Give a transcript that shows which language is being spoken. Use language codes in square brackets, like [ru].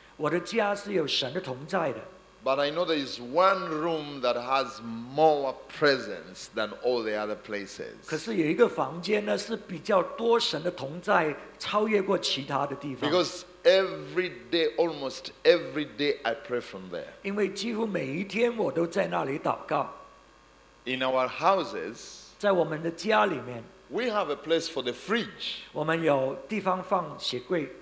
[zh] 我的家是有神的同在的。 [en] But I know there is one room that has more presence than all the other places. [zh] 可是有一个房间呢，是比较多神的同在。 [en] Because every day, almost every day, I pray from there. In our houses, we have a place for the fridge.